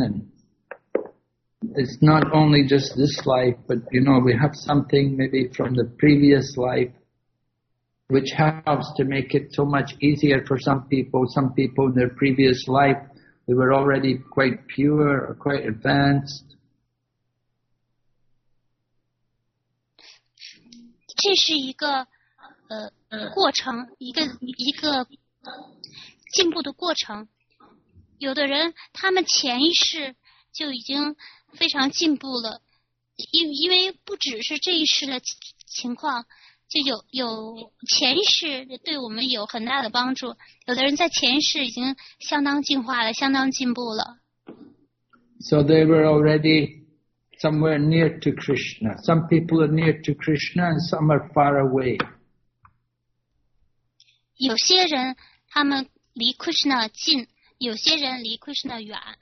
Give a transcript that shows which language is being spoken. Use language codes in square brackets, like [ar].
[en] And it's not only just this life, but you know, we have something maybe from the previous life, which helps to make it so much easier for some people. Some people in their previous life, they were already quite pure or quite advanced. [zh] 这是一个过程，一个进步的过程。有的人他们前一世就已经非常进步了因为不只是这一世的情况就有前世对我们有很大的帮助有的人在前世已经相当进化了相当进步了 [en] So they were already somewhere near to Krishna Some people are near to Krishna and some are far away [zh] 有些人他们离 Krishna 近有些人离 Krishna 远